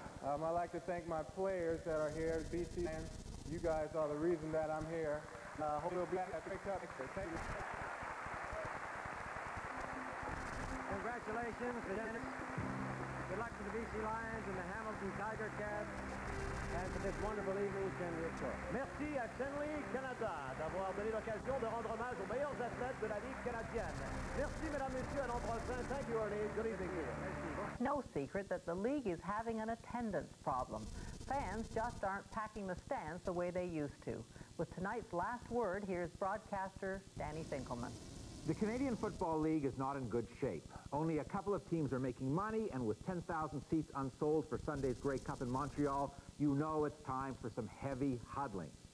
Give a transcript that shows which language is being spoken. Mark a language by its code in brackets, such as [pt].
[en] I'd like to thank my players that are here, BC fans. You guys are the reason that I'm here. I hope it'll be a great cup. Thank you. Congratulations, Bennett. Good luck to the BC Lions and the Hamilton Tiger Cats. And for this wonderful evening, Schenley, of course. [fr] Merci à Schenley, Canada, d'avoir donné l'occasion de rendre hommage aux meilleurs athlètes de la Ligue canadienne. Merci, mesdames, messieurs, à l'an prochain. [en] Thank you, Ernie. Good evening. [fr] Merci. [en] No secret that the league is having an attendance problem. Fans just aren't packing the stands the way they used to. With tonight's last word, here's broadcaster Danny Finkelman. The Canadian Football League is not in good shape. Only a couple of teams are making money, and with 10,000 seats unsold for Sunday's Grey Cup in Montreal, you know it's time for some heavy huddling.